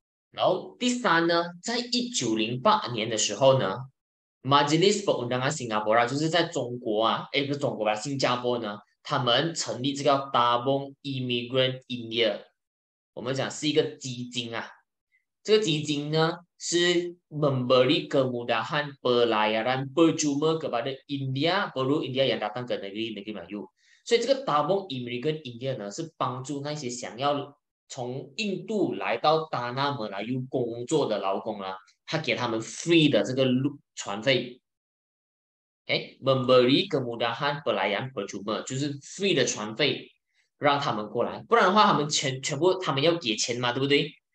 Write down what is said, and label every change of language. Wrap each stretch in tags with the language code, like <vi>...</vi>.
<zh>然后第三呢，在1908年的时候呢，Majlis Perundangan Singapura 就是在中国啊，哎，不是中国吧，新加坡呢，他们成立这个 Tabung Immigrant India，我们讲是一个基金啊，这个基金呢。</zh> <ms>是 memberi kemudahan pelayaran percuma kepada India, perlu India yang datang ke negeri-negeri Melayu.</ms> <zh>So, 这个 Tabung Immigrant India 呢，是帮助那些想要从印度来到达纳马来又工作的劳工啊，他给他们 free 的这个路船费。哎，</zh> <ms>memberi kemudahan pelayaran percuma</ms> <zh>就是 free 的船费，让他们过来，不然的话，他们全部他们要给钱嘛，对不对？</zh>